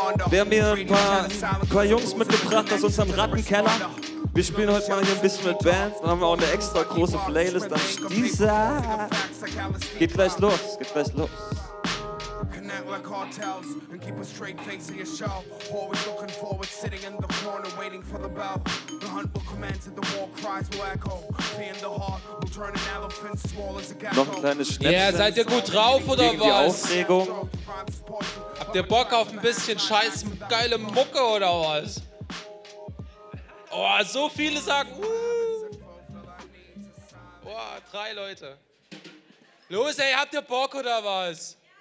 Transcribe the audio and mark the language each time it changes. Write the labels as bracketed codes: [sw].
[de] Wir haben hier ein paar Jungs mitgebracht aus unserem Rattenkeller. Wir spielen heute mal hier ein bisschen mit Bands und haben auch eine extra große Playlist am Stießer. Geht gleich los, geht gleich los. [en] Cartels and keep a straight face in your show. Always looking forward, sitting in the corner, waiting for the bell. The hunt will commence and the war cries will echo. Fear in the heart will turn an elephant small as a gecko. [de] Noch ein kleines Schnäppchen. Ja, seid ihr gut drauf oder gegen was? Die Aufregung. Habt ihr Bock auf ein bisschen scheiß geile Mucke oder was? Oh, so viele sagen. Oh, drei Leute. Los, ey, habt ihr Bock oder was?